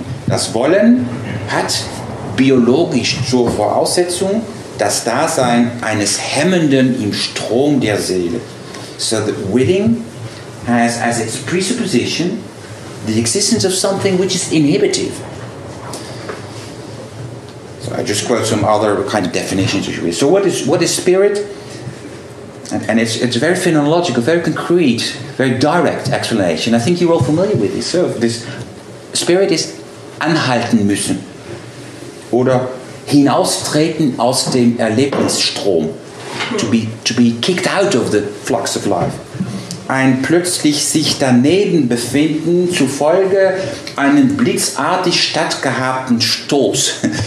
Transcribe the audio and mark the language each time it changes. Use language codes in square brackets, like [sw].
[de] Das Wollen hat biologisch zur Voraussetzung das Dasein eines Hemmenden im Strom der Seele. [en] So that willing has as its presupposition the existence of something which is inhibitive. So I just quote some other kind of definitions. So what is spirit? And it's a very phenomenological, very concrete, very direct explanation. I think you're all familiar with this. So this spirit is [de] anhalten müssen. Oder hinaustreten aus dem Erlebnisstrom. [en] To be kicked out of the flux of life. [de] Ein plötzlich sich daneben befinden, zufolge einen blitzartig stattgehabten Stoß.